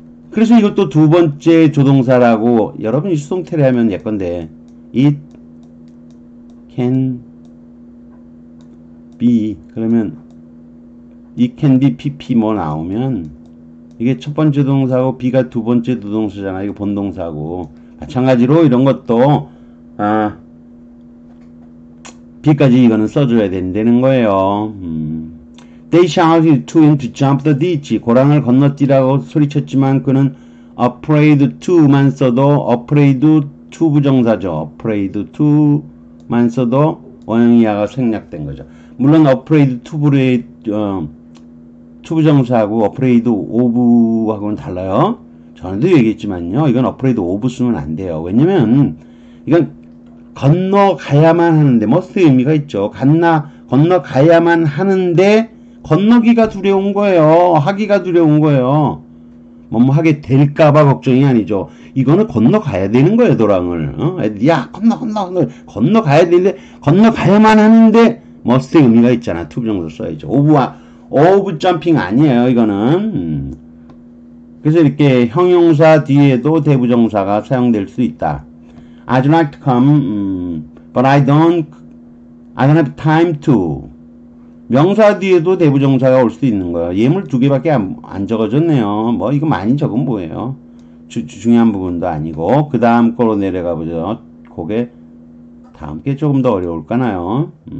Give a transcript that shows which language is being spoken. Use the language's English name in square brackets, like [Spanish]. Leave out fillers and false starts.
[Korean] 그래서 이것도 두 번째 조동사라고 여러분 이 수동태를 하면 예컨대 it can be 그러면 it can be PP 뭐 나오면 이게 첫 번째 동사고 be가 두 번째 조동사잖아. 이거 본동사고 마찬가지로 이런 것도 아 B까지 이거는 써줘야 된다는 거예요. [English] They shouted to him to jump the ditch. [Korean] 고랑을 건너뛰라고 소리쳤지만 그는 afraid to만 써도 afraid to 부정사죠. afraid to만 써도 원형 이하가 생략된 거죠. 물론 afraid to 부정사하고 afraid of하고는 달라요. 전에도 얘기했지만요. 이건 afraid of 쓰면 안 돼요. 왜냐면 이건 건너가야만 하는데, 머스트 의미가 있죠. 건너가야만 하는데, 건너기가 두려운 거예요. 하기가 두려운 거예요. 뭐, 하게 될까봐 걱정이 아니죠. 이거는 건너가야 되는 거예요, 도랑을. 어? 야, 건너가야 되는데, 건너가야만 하는데, 머스트 의미가 있잖아. 투 정도 써야죠. 오브 점핑 아니에요, 이거는. 그래서 이렇게 형용사 뒤에도 대부정사가 사용될 수 있다. [English] I'd like to come, but I don't have time to. [Korean] 명사 뒤에도 대부정사가 올 수도 있는 거예요. 예문 두 개밖에 안 적어졌네요. 뭐, 이거 많이 적은 뭐예요? 중요한 부분도 아니고. 그 다음 거로 내려가 보죠. 그게, 다음 게 조금 더 어려울까나요?